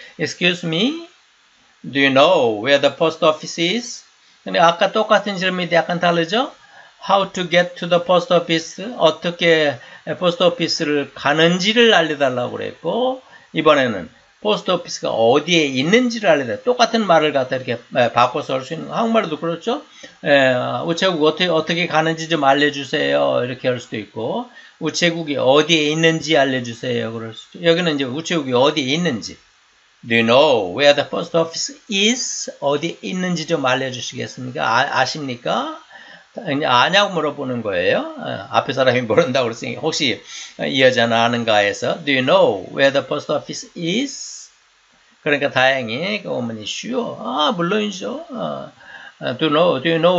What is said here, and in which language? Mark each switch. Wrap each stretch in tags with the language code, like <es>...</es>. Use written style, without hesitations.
<en>Excuse me, do you know where the post office is?</en> <ko>근데 아까 똑같은 질문인데 약간 다르죠?</ko> <en>How to get to the post office?</en> <ko>어떻게 post office를 가는지를 알려달라고 그랬고 이번에는 포스트 오피스가 어디에 있는지를 알려야 돼. 똑같은 말을 갖다 이렇게 바꿔서 할 수 있는 한국말도 그렇죠. 우체국 어떻게 가는지 좀 알려주세요. 이렇게 할 수도 있고 우체국이 어디에 있는지 알려주세요. 그럴 수도. 여기는 이제 우체국이 어디에 있는지.</ko> <en>Do you know where the post office is?</en> <ko>어디 있는지 좀 알려주시겠습니까? 아십니까? 아냐고 물어보는 거예요. 앞에 사람이 모른다고 그랬으니 혹시 이 여자는 아는가 해서</ko> <en>Do you know where the post office is?</en> <ko>그러니까 다행히 그 어머니 sure. 아 물론이죠.</ko> <en>Do you know?</en>